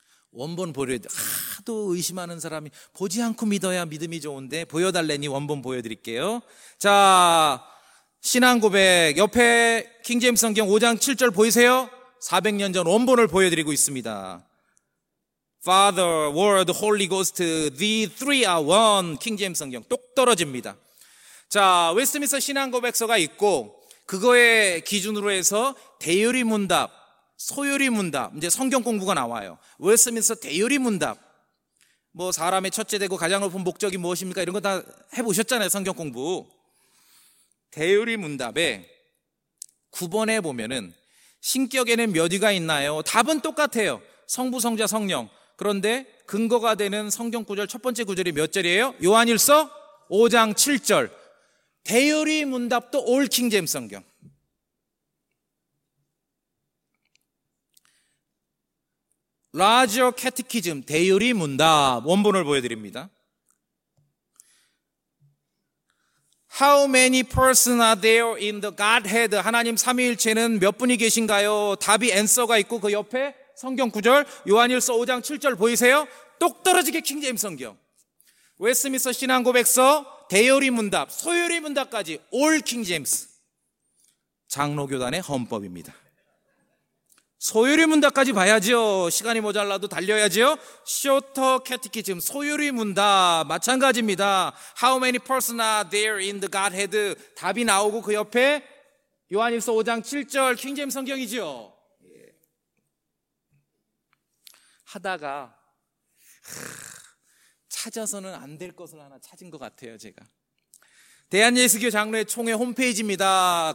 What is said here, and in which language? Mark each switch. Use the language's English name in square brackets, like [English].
[Korean] 원본 보려, 하도 의심하는 사람이 보지 않고 믿어야 믿음이 좋은데 보여달래니 원본 보여드릴게요. 자, 신앙고백 옆에 킹제임스 성경 5장 7절 보이세요? 400년 전 원본을 보여드리고 있습니다. [English] Father, Word, Holy Ghost, the three are one. [Korean] 킹제임스 성경 똑 떨어집니다. 자, 웨스트민스터 신앙고백서가 있고 그거의 기준으로 해서 대요리 문답, 소요리 문답, 이제 성경 공부가 나와요. 웨스트민스터 대요리 문답, 뭐 사람의 첫째 되고 가장 높은 목적이 무엇입니까? 이런 거 다 해보셨잖아요. 성경 공부 대요리 문답에 9번에 보면은 신격에는 몇 위가 있나요? 답은 똑같아요. 성부, 성자, 성령. 그런데 근거가 되는 성경 구절 첫 번째 구절이 몇 절이에요? 요한일서 5장 7절 대요리 문답도 올 킹제임 성경. 라지어 캐티키즘 대요리 문답 원본을 보여드립니다. [English] How many persons are there in the Godhead? [Korean] 하나님 삼위일체는 몇 분이 계신가요? 답이 answer가 있고 그 옆에 성경 구절 요한일서 5장 7절 보이세요? 똑 떨어지게 킹제임스 성경 웨스트민스터 신앙고백서 대여리 문답 소여리 문답까지 올 킹제임스 장로교단의 헌법입니다. 소요리 문답까지 봐야죠. 시간이 모자라도 달려야죠. 쇼터 캐티키즘 소요리 문답 마찬가지입니다. [English] How many persons are there in the Godhead? [Korean] 답이 나오고 그 옆에 요한일서 5장 7절 킹제임스 성경이죠. 하다가 찾아서는 안 될 것을 하나 찾은 것 같아요. 제가 대한예수교 장로회 총회 홈페이지입니다.